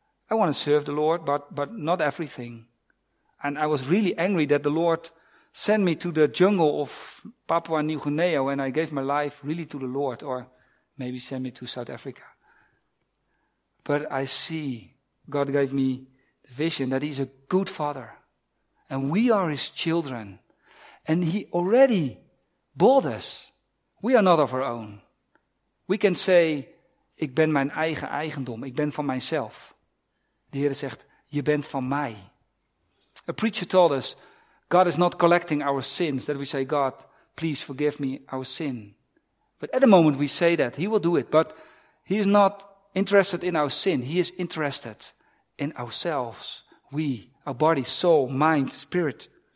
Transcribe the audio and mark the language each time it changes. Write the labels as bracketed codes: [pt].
[en] I want to serve the Lord, but not everything. And I was really angry that the Lord sent me to the jungle of Papua New Guinea when I gave my life really to the Lord, or maybe send me to South Africa. But I see God gave me the vision that he's a good father and we are his children and he already bought us. We are not of our own. [nl] We can say, 'Ik ben mijn eigen eigendom. Ik ben van mijzelf.' De Heer zegt, 'Je bent van mij.' [en] A preacher told us, 'God is not collecting our sins,' that we say, 'God, please forgive me our sin.' But at the moment we say that, he will do it. But he is not interested in our sin. He is interested in ourselves. We, our body, soul, mind, spirit.